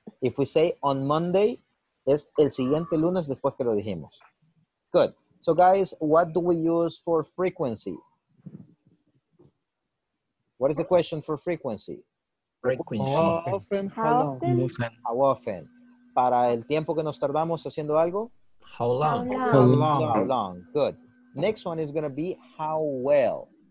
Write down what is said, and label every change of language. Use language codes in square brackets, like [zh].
[en] If we say on Monday, [es] es el siguiente lunes después que lo dijimos. [en] Good. So guys, what do we use for frequency? What is the question for frequency? How often? [es] Para el tiempo que nos tardamos haciendo algo? [en] How long? Good. Next one is going to be how well.